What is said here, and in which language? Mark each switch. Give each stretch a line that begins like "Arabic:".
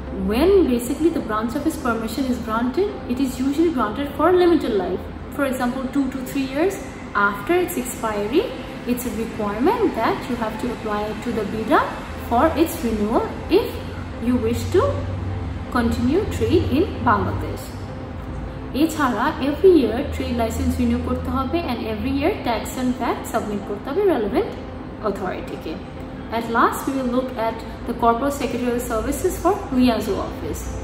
English: When basically the branch office permission is granted, it is usually granted for a limited life. For example, 2 to 3 years after its expiry, it's a requirement that you have to apply to the BIDA for its renewal if you wish to continue trade in Bangladesh.
Bangla: এছাড়া every year trade licence renew করতে হবে and every year tax and VAT submit করতে হবে relevant অথরিটিকে।
English: At last, we will look at the corporate secretarial services for Liazo office.